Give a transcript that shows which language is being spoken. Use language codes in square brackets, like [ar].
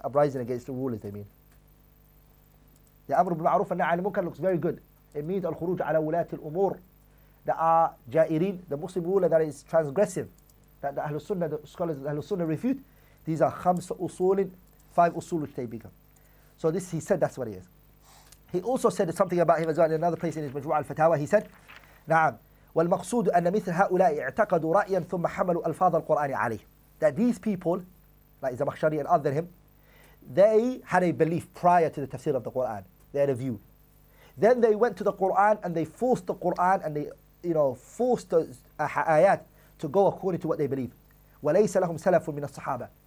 [en] Uprising against the rulers, they mean. The Amru bil Ma'ruf wa Nahi anil Munkar looks very good. It means Al Khuruj ala Wulat al Umur, that are Ja'irin, the Muslim ruler that is transgressive, that the Ahlul Sunnah, the scholars of the Ahlul Sunnah refute. These are Khams Usulin, five Usul which they become. So this, he said, that's what he is. He also said something about him as well in another place in his Majmu' al-Fatawa. He said, [ar] "Nam, والمقصود أن مثل هؤلاء اعتقدوا رأيا ثم حملوا ألفاظ القرآن عليه." [en] That these people, like Zamakhshari and other him, they had a belief prior to the tafsir of the Quran. They had a view. Then they went to the Quran and they forced the Quran and they, you know, forced the ayat to go according to what they believe. [ar] وليس لهم سلف من الصحابة.